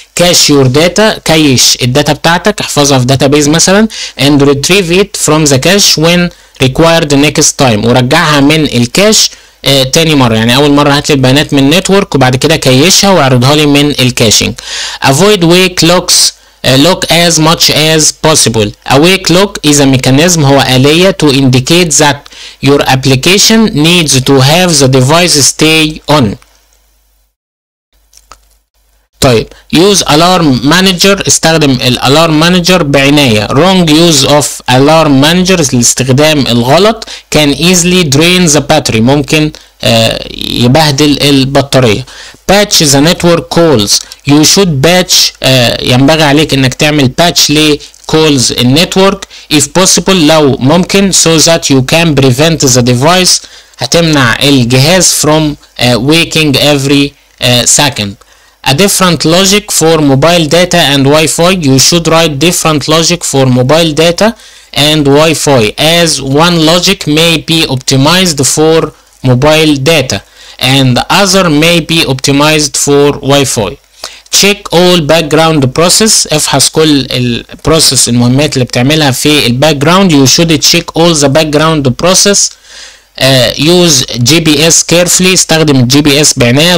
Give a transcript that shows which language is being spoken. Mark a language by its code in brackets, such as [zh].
[en] cache your data، [ar] كيش الداتا بتاعتك، احفظها في [en] database مثلا، and retrieve it from the cache when required next time، [ar] ورجعها من الكاش تاني مرة. يعني اول مرة هاتلي البيانات من النتورك وبعد كده كيشها واعرضها لي من الكاشينج. [en] avoid wake locks، lock as much as possible. a wake lock is a mechanism، [ar] هو آلية [en] to indicate that your application needs to have the device stay on. [ar] طيب [en] use alarm manager، [ar] استخدم الالارم مانجر بعناية. [en] wrong use of alarm managers، [ar] الاستخدام الغلط، [en] can easily drain the battery، [ar] ممكن يبهدل البطارية. [en] patch the network calls، you should patch، [ar] ينبغي عليك انك تعمل [en] patch ل calls network if possible، [ar] لو ممكن، [en] so that you can prevent the device، [ar] هتمنع الجهاز [en] from waking every second. A different logic for mobile data and Wi-Fi. You should write different logic for mobile data and Wi-Fi as one logic may be optimized for mobile data and other may be optimized for Wi-Fi. Check all background process. [ar] افحص كل البروسس، المهمات اللي بتعملها في الباكجراوند. [en] You should check all the background process. Use GPS carefully، [ar] استخدم GPS بعناية.